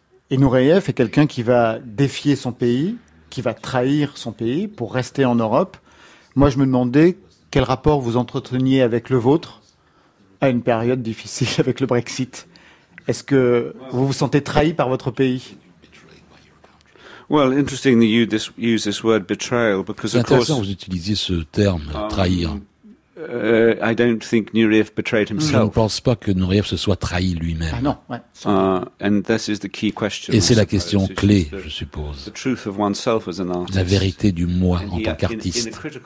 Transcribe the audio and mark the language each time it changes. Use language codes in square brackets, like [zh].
[fr] Et Nureyev est quelqu'un qui va défier son pays, qui va trahir son pays pour rester en Europe. Moi, je me demandais quel rapport vous entreteniez avec le vôtre à une période difficile avec le Brexit. Est-ce que vous vous sentez trahi par votre pays? [en] Well, interesting that you use this word betrayal because of course. [fr] C'est intéressant que vous utilisiez ce terme trahir. [en] I don't think Nureyev betrayed himself. [fr] Je ne pense pas que Nureyev se soit trahi lui-même. Ah non, ouais. [en] And this is the key question. [fr] Et c'est la question clé, je suppose. [en] The truth of oneself as an artist. [fr] La vérité du moi en tant qu'artiste.